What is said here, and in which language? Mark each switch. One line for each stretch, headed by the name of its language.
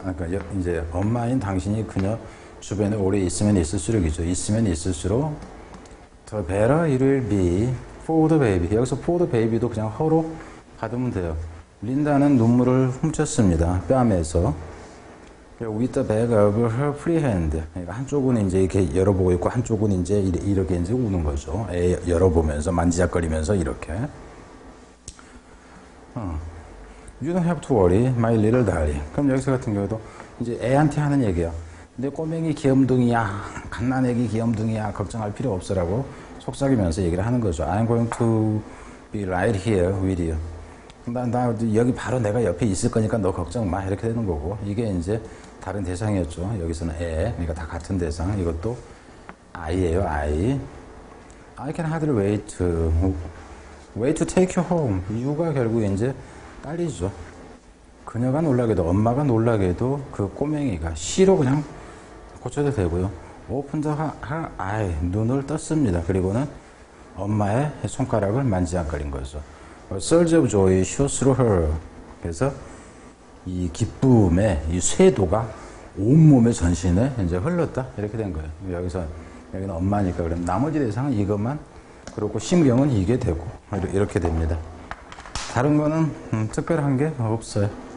Korean: 그러니까 이제 엄마인 당신이 그녀 주변에 오래 있으면 있을수록이죠. 있으면 있을수록
English: the better it will be for the baby.
Korean: 여기서
English: for the baby
Korean: 도 그냥 허로 받으면 돼요. 린다는 눈물을 훔쳤습니다. 뺨에서.
English: With the back of her free hand.
Korean: 한쪽은 이제 이렇게 열어보고 있고, 한쪽은 이제 이렇게 이제 우는 거죠. 애 열어보면서, 만지작거리면서 이렇게.
English: You don't have to worry, my little darling.
Korean: 그럼 여기서 같은 경우도 이제 애한테 하는 얘기예요. 내 꼬맹이 귀염둥이야. 갓난애기 귀염둥이야. 걱정할 필요 없어라고 속삭이면서 얘기를 하는 거죠.
English: I'm going to be right here with you.
Korean: 나 여기 바로 내가 옆에 있을 거니까 너 걱정 마. 이렇게 되는 거고. 이게 이제 다른 대상이었죠. 여기서는 애. 그러니까 다 같은 대상. 이것도 아이예요. 아이.
English: I can hardly wait to take you home.
Korean: 유가 결국 이제 딸이죠. 그녀가 놀라게도 엄마가 놀라게도 그 꼬맹이가 시로 그냥 고쳐도 되고요.
English: Open her eye.
Korean: 눈을 떴습니다. 그리고는 엄마의 손가락을 만지작거린 거죠.
English: A surge of joy shot through her.
Korean: 그래서 이 기쁨의 이 쇄도가 온몸의 전신에 이제 흘렀다. 이렇게 된 거예요. 여기는 엄마니까 그럼 나머지 대상은 이것만 그렇고 심경은 이게 되고 이렇게 됩니다. 다른 거는 특별한 게 없어요.